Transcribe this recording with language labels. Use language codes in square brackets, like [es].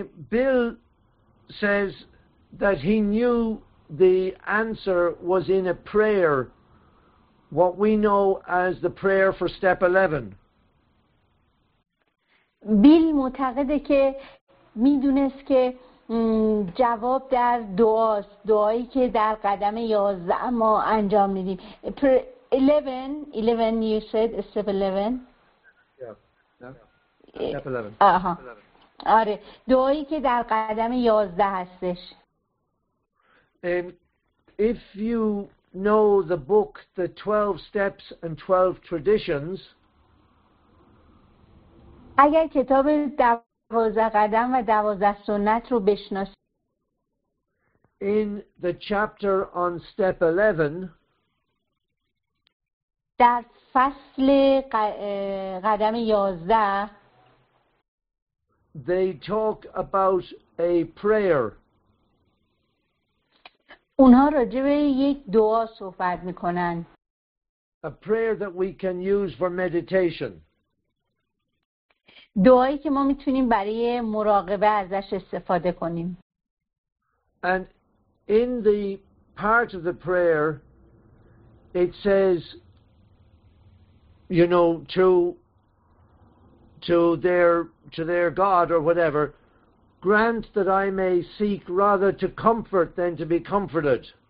[en] Bill says that he knew the answer was in a prayer, what we know as the prayer for step 11. [fa] بیل معتقده که میدونست که جواب در دعاست، دعایی که در قدم 11 ما انجام میدیم. [en] 11 you said step 11. Yeah. Step 11. [fa] آره، دعایی که در قدم 11 هستش. [en] If you know the book The 12 Steps and 12 Traditions, [fa] اگر کتاب 12 قدم و 12 سنت رو بشناسید، [en] in the chapter on step 11 [fa] در فصل قدم 11 [en] they talk about a prayer. [fa] اونها راجع به یک دعا صحبت میکنن. [en] A prayer that we can use for meditation. [fa] دعایی که ما میتونیم برای مراقبه ازش استفاده کنیم. [en] And in the part of the prayer it says, you know, to their God or whatever, grant that I may seek rather to comfort than to be comforted.